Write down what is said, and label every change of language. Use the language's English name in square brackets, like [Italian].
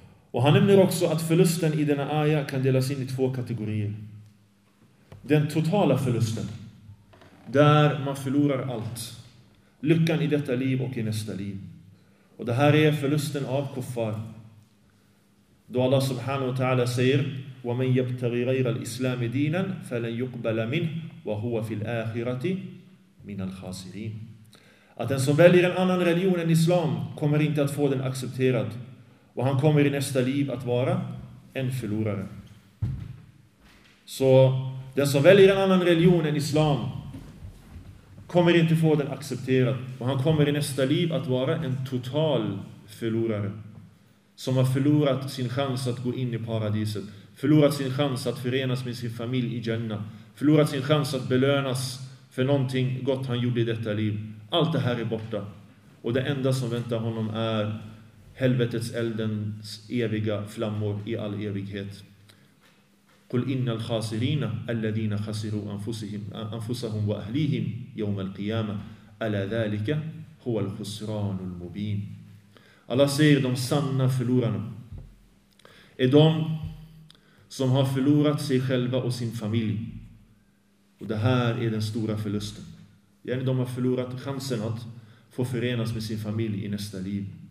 [Swedish] Och han nämner också att förlusten i denna ayah kan delas in i två kategorier. Den totala förlusten. Där man förlorar allt. Lyckan i detta liv och i nästa liv. Och det här är förlusten av kuffar. Då [Arabic] Allah subhanahu wa ta'ala [Swedish] säger [Arabic] وَمَنْ يَبْتَغِ غَيْرَ الْإِسْلَامِ دِينًا فَلَنْ يُقْبَلَ مِنْهُ وَهُوَ فِي الْآخِرَةِ مِنَ الْخَاسِرِينَ. [Swedish] Att den som väljer en annan religion än islam kommer inte att få den accepterad. Och han kommer i nästa liv att vara en förlorare. Så den som väljer en annan religion än islam kommer inte få den accepterad. Och han kommer i nästa liv att vara en total förlorare. Som har förlorat sin chans att gå in i paradiset. Förlorat sin chans att förenas med sin familj i Jannah. Förlorat sin chans att belönas för någonting gott han gjorde i detta liv. Allt det här är borta. Och det enda som väntar honom är helvetets eldens eviga flammor i all evighet. [Arabic] قل إن الخاسرين الذين خسروا أنفسهم وأهليهم يوم القيامة ألا ذلك هو الخسران المبين. [Swedish] Alla säger de sanna förlorarna är de som har förlorat sig själva och sin familj. Och det här är den stora förlusten. De har förlorat chansen att få förenas med sin familj i nästa liv.